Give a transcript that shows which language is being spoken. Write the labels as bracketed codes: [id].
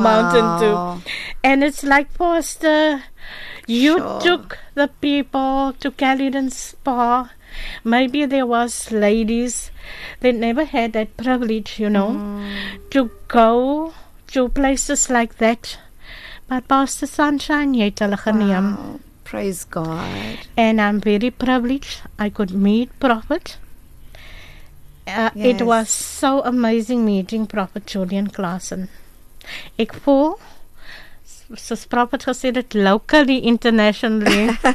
[en] Mountain toe. And it's like, Pastor, you sure. took the people to Caledon Spa. Maybe there was ladies that never had that privilege, you know, to go to places like that. [af] But Pastor Sunshine, jy het hulle geneem. [en] Praise God. And I'm very privileged I could meet Prophet. Yes. It was so amazing meeting Prophet Julian Clausen. [af] Ek voel, soos Prophet gesê het, [en] locally, internationally.